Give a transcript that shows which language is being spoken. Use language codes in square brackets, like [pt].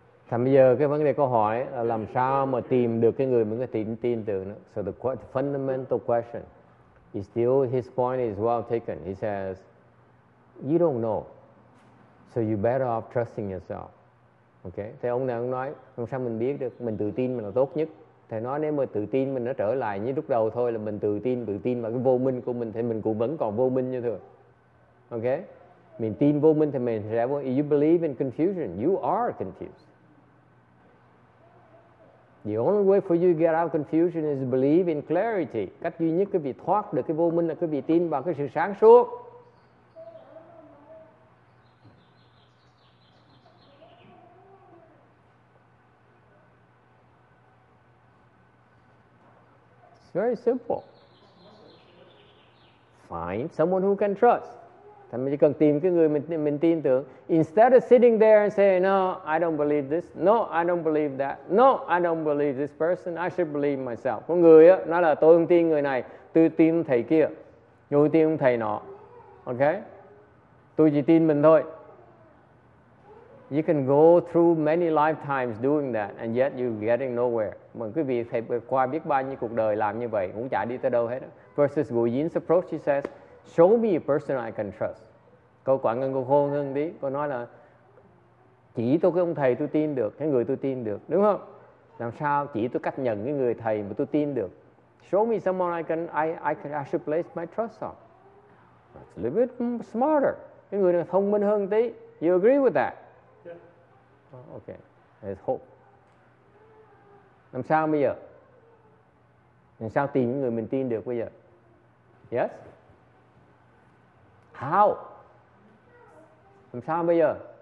[vi] Thành bây giờ cái vấn đề câu hỏi là làm sao mà tìm được cái người mình có thể tin tưởng nữa. [en] So the fundamental question is still, his point is well taken. He says, you don't know, so you better off trusting yourself. Okay? [vi] Thế ông này ông nói, làm sao mình biết được, mình tự tin mình là tốt nhất. Thầy nói nếu mà tự tin mình nó trở lại như lúc đầu thôi là mình tự tin vào cái vô minh của mình thì mình cũng vẫn còn vô minh như thường. Okay? Mình tin vô minh thì mình sẽ vô minh. [en] You believe in confusion. You are confused. The only way for you to get out of confusion is to believe in clarity. [vi] Cách duy nhất quý vị thoát được cái vô minh là quý vị tin vào cái sự sáng suốt. [en] It's very simple. Find someone who can trust. [vi] Thì mình chỉ cần tìm cái người mình tin tưởng. [en] Instead of sitting there and saying, no, I don't believe this. No, I don't believe that. No, I don't believe this person. I should believe myself. [vi] Có người á, nói là tôi không tin người này. Tôi tin thầy kia. Tôi tin thầy nọ. Okay? Tôi chỉ tin mình thôi. [en] You can go through many lifetimes doing that and yet you're getting nowhere. [vi] Mà quý vị thầy qua biết bao nhiêu cuộc đời làm như vậy cũng chả đi tới đâu hết. [en] Versus Gu Yin's approach, he says, show me a person I can trust. [vi] Câu quả ngân câu khôn hơn tí. Cô nói là chỉ tôi cái ông thầy tôi tin được, cái người tôi tin được, đúng không? Làm sao chỉ tôi cách nhận cái người thầy mà tôi tin được? [en] Show me someone I should place my trust on. That's a little bit smarter. [vi] Cái người này thông minh hơn tí. [en] You agree with that? Yeah. Oh, okay. There's hope. [vi] Làm sao bây giờ? Làm sao tìm những người mình tin được bây giờ? [en] Yes. How? [vi] Làm sao bây giờ?